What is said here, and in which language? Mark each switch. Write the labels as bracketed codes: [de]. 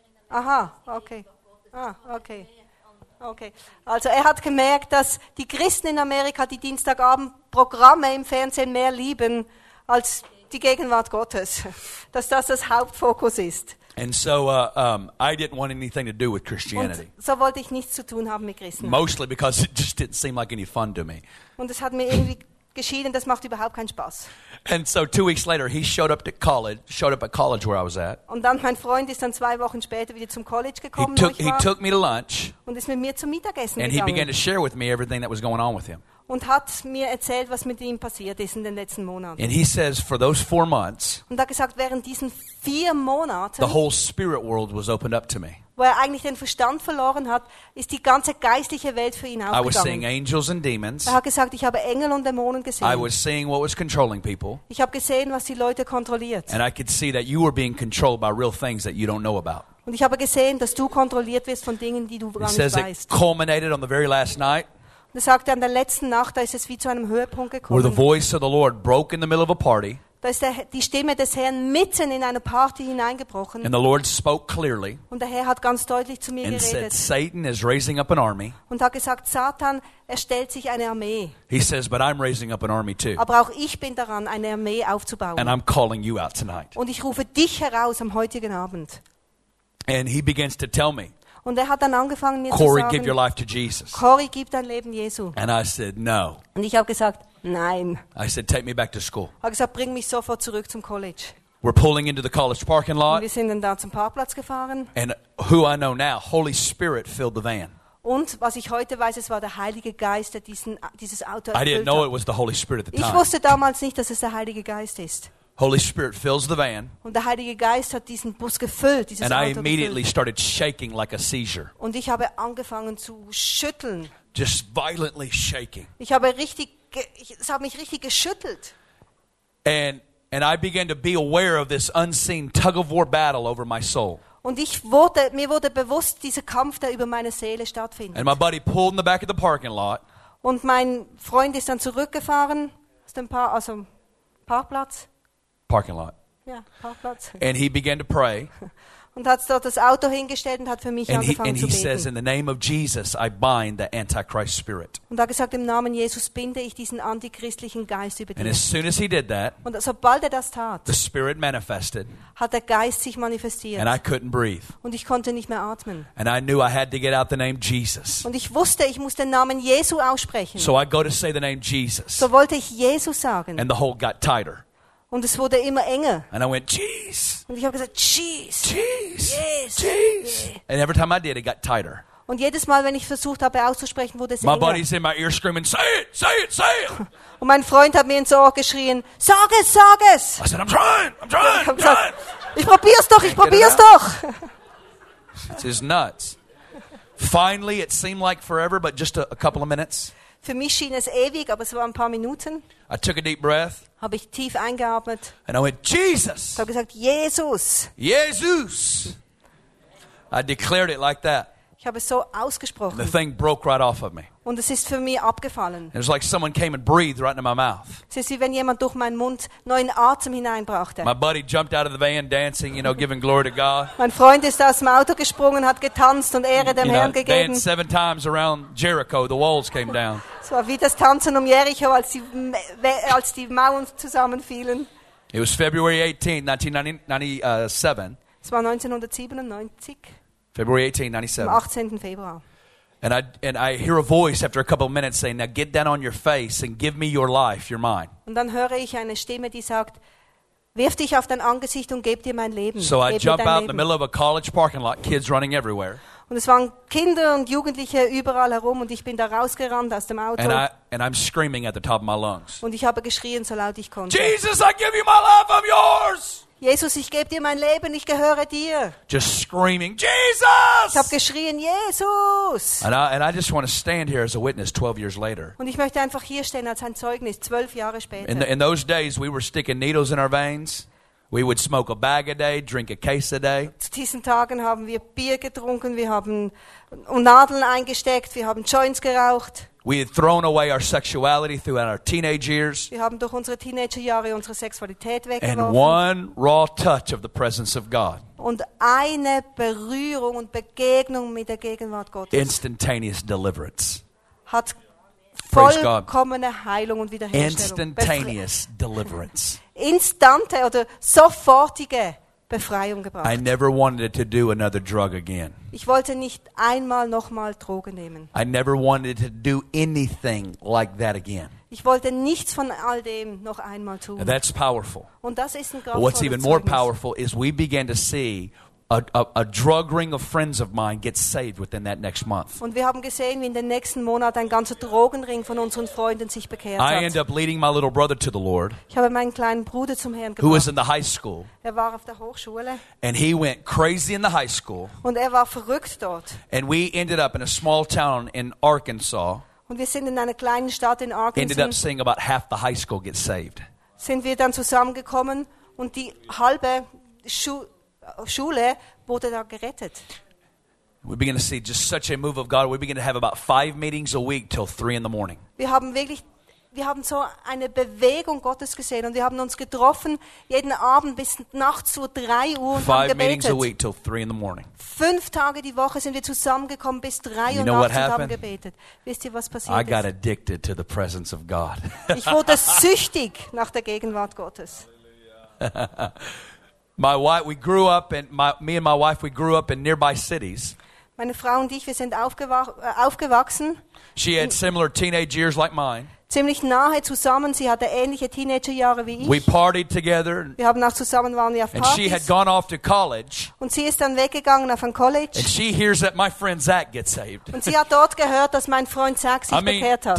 [de] Aha, okay. Ah, okay. Okay. Also er hat gemerkt, dass die Christen in Amerika die Dienstagabendprogramme im Fernsehen mehr lieben als die Gegenwart Gottes. Dass das das Hauptfokus ist. [en] And so I didn't want anything to do with Christianity. [de] Und so wollte ich nichts zu tun haben mit Christen. [en] Mostly because it just didn't seem like any fun to me. [de] Und es hat mir irgendwie geschieden, das macht überhaupt keinen Spaß. [en] And so 2 weeks later he showed up at college where I was at. [de] Und dann mein Freund ist dann 2 Wochen später wieder zum College gekommen, [en] he took me to lunch. [de] Und ist mit mir zum Mittagessen gegangen. [en] And he began to share with me everything that was going on with him. [de] Und hat mir erzählt, was mit ihm passiert ist in den letzten Monaten. [en] And he says for those 4 months. [de] Und hat gesagt, während diesen 4 Monaten [en] the whole spirit world was opened up to me. [de] Wo er eigentlich den Verstand verloren hat, ist die ganze geistliche Welt für ihn aufgegangen. [en] I was seeing angels and demons. [de] Er hat gesagt, ich habe Engel und Dämonen gesehen. [en] I was seeing what was controlling people. [de] Ich habe gesehen, was die Leute kontrolliert. [en] And I could see that you were being controlled by real things that you don't know about. [de] Und ich habe gesehen, dass du kontrolliert wirst von Dingen, die du gar nicht weißt. [en] It says it culminated on the very last night. [de] Er sagte, an der letzten Nacht, da ist es wie zu einem Höhepunkt gekommen. [en] Where the voice of the Lord broke in the middle of a party. [de] Da ist die Stimme des Herrn mitten in eine Party hineingebrochen. [en] And the Lord spoke clearly. [de] Und der Herr hat ganz deutlich zu mir [en] and [de] geredet. [en] Said, Satan is raising up an army. [de] Und hat gesagt, Satan erstellt sich eine Armee. [en] He says, but I'm raising up an army too. [de] Aber auch ich bin daran, eine Armee aufzubauen. [en] And I'm calling you out tonight. [de] Und ich rufe dich heraus am heutigen Abend. [en] And he begins to tell me. [de] Und er hat dann angefangen, mir Corey, zu sagen, [en] give your life to Jesus. [de] Corey, gib dein Leben Jesu. [en] And I said, no. [de] Und ich habe gesagt, nein. [en] I said, take me back to school. [de] Ich habe gesagt, bring mich sofort zurück zum College. [en] We're pulling into the college parking lot. [de] Und wir sind dann da zum Parkplatz gefahren. [en] And who I know now, Holy Spirit filled the van. [de] Und was ich heute weiß, es war der Heilige Geist, der dieses Auto erfüllt [en] hat. I didn't know it was the Holy Spirit at the time. [de] Ich wusste damals nicht, dass es der Heilige Geist ist. [en] Holy Spirit fills the van. [de] Und der Heilige Geist hat diesen Bus gefüllt, dieses [en] and [de] Auto [en] I immediately [de] gefüllt. [en] Started shaking like a seizure. [de] Und ich habe angefangen zu schütteln. [en] Just violently shaking. [de] Ich habe richtig es hat mich richtig geschüttelt. [en] And I began to be aware of this unseen tug of war battle over my soul. [de] Und mir wurde bewusst dieser Kampf, der über meine Seele stattfindet. [en] And my buddy pulled in the back of the parking lot. [de] Und mein Freund ist dann zurückgefahren aus dem Parkplatz. [en] Parking lot. And he began to pray. [de] Und hat dort das Auto hingestellt und hat für mich angefangen zu beten. [en] And he says, in the name of Jesus, I bind the Antichrist spirit. [de] Und hat gesagt, im Namen Jesus binde ich diesen antichristlichen Geist über dich. [en] And as soon as he did that, [de] und sobald er das tat, [en] the spirit manifested, [de] hat der Geist sich manifestiert. [en] And I couldn't breathe. [de] Und ich konnte nicht mehr atmen. [en] And I knew I had to get out the name Jesus. [de] Und ich wusste, ich muss den Namen Jesu aussprechen. [en] So I go to say the name Jesus. [de] So wollte ich Jesus sagen. [en] And the hole got tighter. [de] Und es wurde immer enger. [en] And I went, geez. [de] Und ich habe gesagt, geez. [en] Geez. Yes. Geez. Yeah. And every time I did, it got tighter. [de] Und jedes Mal, wenn ich versucht habe, auszusprechen, wurde es [en] my [de] enger. [en] My buddy's in my ear screaming, say it, say it, say it. [de] Und mein Freund hat mir ins Ohr geschrien, sag es, sag es. [en] I said, I'm trying. [de] Ich gesagt, ich probier's doch. [en] It's just nuts. Finally, it seemed like forever, but just a couple of minutes. [de] Für mich schien es ewig, aber es waren ein paar Minuten. [en] I took a deep breath. [de] Habe ich tief eingeatmet. [en] And I went, Jesus. [de] Ich habe gesagt, Jesus. [en] Jesus. I declared it like that. [de] Ich habe es so ausgesprochen. [en] And the thing broke right off of me. [de] und es ist für mich abgefallen. [en] It was like someone came and breathed right into my mouth. [de] Es ist wie wenn jemand durch meinen Mund neuen Atem hineinbrachte. [en] My buddy jumped out of the van dancing, you know, giving glory to God. [de] Mein Freund ist aus dem Auto gesprungen, hat getanzt und Ehre dem Herrn gegeben. [en] Danced 7 times around Jericho, the walls came down. [de] Es war wie das Tanzen um Jericho, als die Mauern zusammenfielen. [en] It was February 18, 1997. [de] Es war 1997. [en] February 18, 1997. And I hear a voice after a couple of minutes saying, "Now get down on your face and give me your life, your mind." [de] Und dann höre ich eine Stimme, die sagt, "Wirf dich auf dein Angesicht und gib dir mein Leben." [en] So I jump out in the middle of a college parking lot, kids running everywhere. [de] Und es waren Kinder und Jugendliche überall herum und ich bin da rausgerannt aus dem Auto. [en] And I'm screaming at the top of my lungs. [de] Und ich habe geschrien so laut ich konnte. [en] Jesus, I give you my life, I'm yours. [de] Jesus, ich gebe dir mein Leben, ich gehöre dir. [en] Just screaming, Jesus! [de] Ich habe geschrien, Jesus! [en] And I just want to stand here as a witness 12 years later. [de] Und ich möchte einfach hier stehen als ein Zeugnis 12 Jahre später. [en] In those days we were sticking needles in our veins. We would smoke a bag a day, drink a case a day. [de] Zu diesen Tagen haben wir Bier getrunken, wir haben Nadeln eingesteckt, wir haben Joints geraucht. [en] We had thrown away our sexuality throughout our teenage years. [de] Wir haben durch unsere Teenagerjahre unsere Sexualität weggeworfen. [en] And one raw touch of the presence of God. [de] Und eine Berührung und Begegnung mit der Gegenwart Gottes. [en] Instantaneous deliverance. [de] Hat vollkommene Heilung und Wiederherstellung. [en] Instantaneous deliverance. [de] Instante oder sofortige Befreiung gebracht. [en] I never wanted to do another drug again. [de] Ich wollte nicht einmal nochmal Drogen nehmen. [en] I never wanted to do anything like that again. [de] Ich wollte nichts von all dem noch einmal tun. [en] And that's powerful. [de] Und das ist ein kraftvolles Zeugnis. [en] What's even more powerful is we began to see a drug ring of friends of mine get saved within that next month. [de] Und wir haben gesehen, wie in den nächsten Monat ein ganzer Drogenring von unseren Freunden sich bekehrt hat. [en] I end up leading my little brother to the Lord. [de] Ich habe meinen kleinen Bruder zum Herrn gebracht. [en] Who was in the high school. [de] Er war auf der Hochschule. [en] And he went crazy in the high school. [de] Und er war verrückt dort. [en] And we ended up in a small town in Arkansas. [de] Und wir sind in einer kleinen Stadt in Arkansas. [en] Ended up seeing about half the high school get saved. [de] Sind wir dann zusammengekommen und die halbe Schule wurde da gerettet. [en] We begin to see just such a move of God. We begin to have about 5 meetings a week till 3 in the morning. [de] Wir haben so eine Bewegung Gottes gesehen und wir haben uns getroffen jeden Abend bis nachts zu 3 Uhr und haben gebetet. [en] 5 meetings a week till 3 in the morning. [de] 5 Tage die Woche sind wir zusammengekommen bis 3 Uhr nachts und haben gebetet. Wisst ihr, was passiert ist? [en] I got addicted to the presence of God. [de] Ich wurde süchtig nach der Gegenwart Gottes. [en] My wife, we grew up, and me and my wife, we grew up in nearby cities. [de] Meine Frau und ich, wir sind aufgewachsen. [en] She had similar teenage years like mine. [de] Ziemlich nahe zusammen. Sie hatte ähnliche Teenagerjahre wie ich. [en] We partied together. [de] Wir haben auch zusammen waren wir auf Partys. [en] And she had gone off to college. [de] Und sie ist dann weggegangen auf ein College. [en] And she hears that my friend Zach gets saved. [de] Und sie hat dort gehört, dass mein Freund Zach sich bekehrt hat.